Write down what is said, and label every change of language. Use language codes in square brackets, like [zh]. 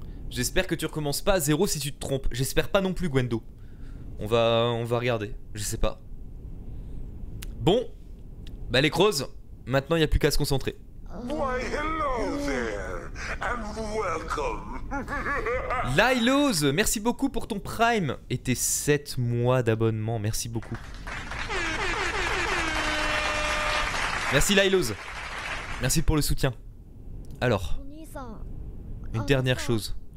[fr] J'espère que tu recommences pas à zéro si tu te trompes. J'espère pas non plus, Gwendo. On va regarder. Je sais pas. Bon, bah les crozes, maintenant il n'y a plus qu'à se concentrer. [en] Why hello there, and welcome. [fr] Lylose, merci beaucoup pour ton Prime et tes 7 mois d'abonnement, merci beaucoup. Merci Lylose, merci pour le soutien. Alors, une dernière chose.